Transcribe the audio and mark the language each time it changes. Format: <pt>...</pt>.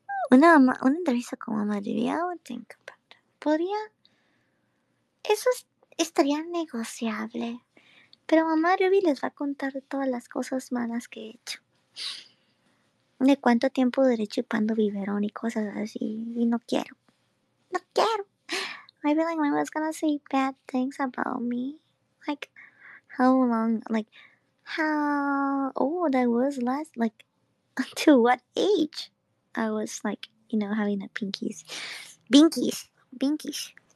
<es>Una entrevista con mamá Ruby.</es> <en>I would think about it.</en> <es>¿Podría? Eso estaría negociable. Pero mamá Ruby les va a contar todas las cosas malas que he hecho. ¿De cuánto tiempo duré chupando biberón y cosas así? Y no quiero. ¡No quiero!</es> <en>I feel like my mom's gonna say bad things about me. Like, how long? Like, How old I was last, like, to what age I was, like, you know, having the binkies.</en>